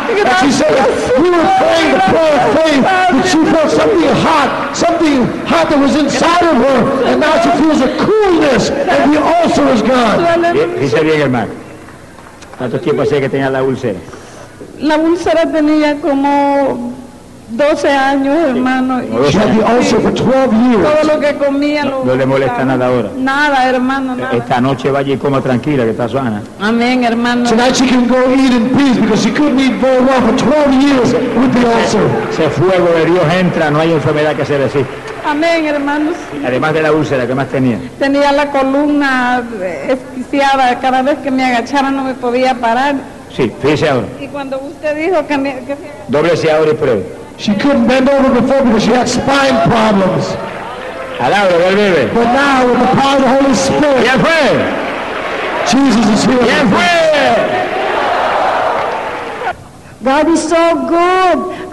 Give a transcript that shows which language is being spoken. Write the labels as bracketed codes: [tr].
[en] And she said that we were praying the prayer of faith, but she felt something hot that was inside of her, and now she feels a coolness, and the ulcer is gone. [es] Dice bien, hermano. ¿Cuánto tiempo hace que tenía la úlcera? La úlcera tenía como 12 años, hermano. [en] She had the ulcer for 12 years. [es] Todo lo que comía, no, no le molesta nada ahora. Nada, hermano, nada. Esta noche vaya y coma tranquila, que está sana. Amén, hermano. [en] Tonight she can go eat in peace because she couldn't eat very well for 12 years with the ulcer. [es] Ese fuego de Dios entra, no hay enfermedad que se resista. Amén, hermanos. Además de la úlcera, ¿qué más tenía? Tenía la columna esquiciada. Cada vez que me agachaba no me podía parar. Sí, fíjese ahora. Y cuando usted dijo que me... Que... Dóblese ahora y pruebe. [en] She couldn't bend over before because she had spine problems. [es] Alabado, ¿quién vive? [en] But now, with the power of the Holy Spirit... [es] ¿Quién fue? [en] Jesus is here. [es] ¿Quién fue? [en] God is so good.